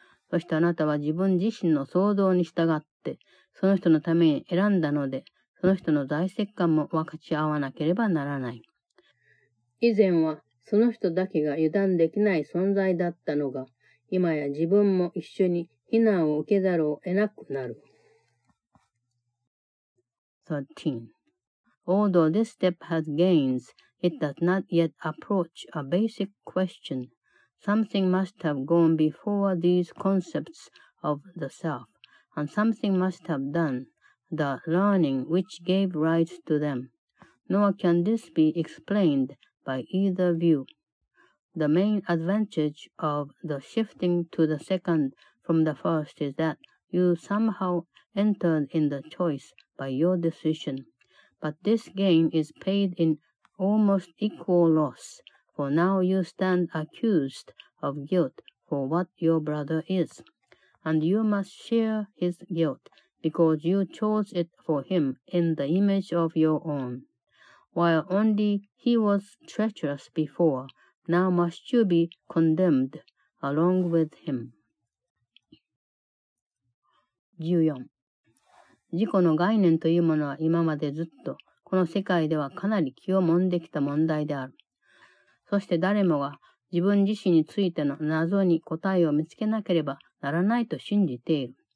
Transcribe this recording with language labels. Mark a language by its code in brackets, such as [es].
[ja] そしてあなたは自分自身の想像に従って、その人のために選んだので、その人の罪責感も分かち合わなければならない。以前はその人だけが油断できない存在だったのが、今や自分も一緒に、非難を受けざるを得なくなる。 13. [en] Although this step has gains, it does not yet approach a basic question. Something must have gone before these concepts of the self, and something must have done the learning which gave rise to them. Nor can this be explained by either view. The main advantage of the shifting to the second from the first is that you somehow entered in the choice by your decision. But this gain is paid in almost equal loss, for now you stand accused of guilt for what your brother is. And you must share his guilt because you chose it for him in the image of your own. While only he was treacherous before, now must you be condemned along with him. 14. [ja] 自己の概念というものは今までずっとこの世界ではかなり気をもんできた問題である。そして誰もが自分自身についての謎に答えを見つけなければならないと信じている。